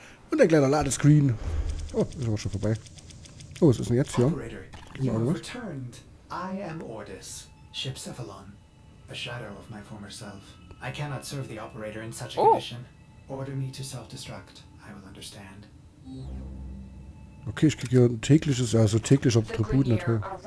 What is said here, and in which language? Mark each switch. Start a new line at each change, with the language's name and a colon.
German: Und ein kleiner Ladescreen. Oh, ist aber schon vorbei. Oh, was ist denn jetzt hier?
English: Operator, you have returned. I am Ordis, Ship Cephalon. A shadow of my former self. I cannot serve the operator in such a condition. Order me to self-destruct. I will understand.
German: Okay, ich krieg hier ein tägliches, also täglicher Tribut natürlich.